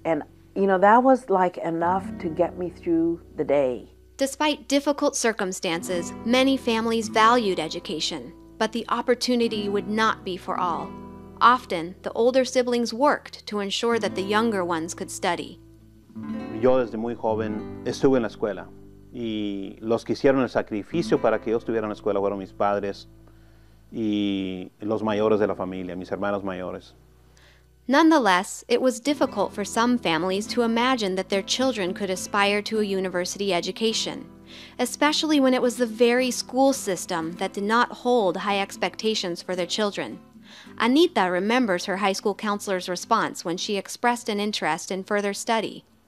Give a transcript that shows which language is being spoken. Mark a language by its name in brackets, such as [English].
[English] And, you know, that was like enough to get me through the day. Despite difficult circumstances, many families valued education, but the opportunity would not be for all. Often, the older siblings worked to ensure that the younger ones could study. [Spanish] Yo desde muy joven estuve en la escuela, y los que hicieron el sacrificio para que yo estuviera en la escuela fueron mis padres y los mayores de la familia, mis hermanos mayores. [English] Nonetheless, it was difficult for some families to imagine that their children could aspire to a university education, especially when it was the very school system that did not hold high expectations for their children. Anita remembers her high school counselor's response when she expressed an interest in further study.